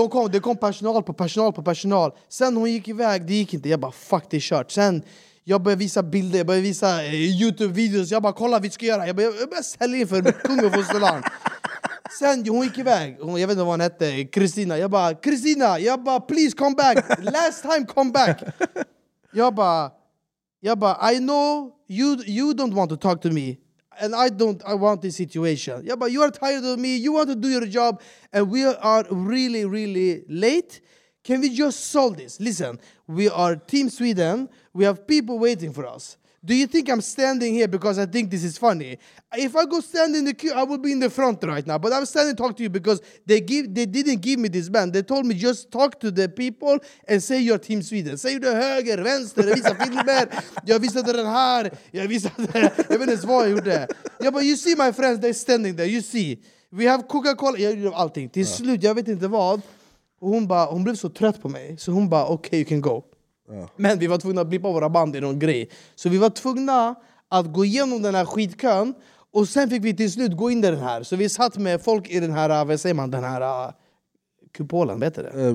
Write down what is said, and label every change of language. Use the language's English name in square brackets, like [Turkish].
[Swedish] Det kom personal. Sen hon gick iväg, det gick inte. Jag bara, fuck, det är kört. Sen jag började visa bilder, jag började visa YouTube-videos. Jag bara, kolla, vi ska göra. Jag började sälja in för kung och fosterland. Sen hon gick iväg. Jag vet inte vad hon hette, Kristina. Jag bara, [English] please come back. Last time, come back. [Swedish] Jag bara, [English] I know you don't want to talk to me. And I want this situation. Yeah, but you are tired of me. You want to do your job. And we are really, really late. Can we just solve this? Listen, we are Team Sweden. We have people waiting for us. Do you think I'm standing here because I think this is funny? If I go stand in the queue, I will be in the front right now. But I'm standing to talk to you because they didn't give me this band. They told me just talk to the people and say your Team Sweden. Say the [Swedish] höger, vänster, visa filmer. Jag visade den här. Jag visade, jag vet inte vad jag gjorde. [English] Yeah, but you see my friends, they're standing there. You see. We have Coca-Cola. [Swedish] Jag gjorde allting. Till slut, jag vet inte vad. Hon blev så trött på mig. Så hon bara, [English] okay, you can go. [Swedish] Men vi var tvungna att blippa våra band i någon grej. Så vi var tvungna att gå igenom den här skitkön. Och sen fick vi till slut gå in i den här. Så vi satt med folk i den här, vad säger man, den här kupolen, vet du det?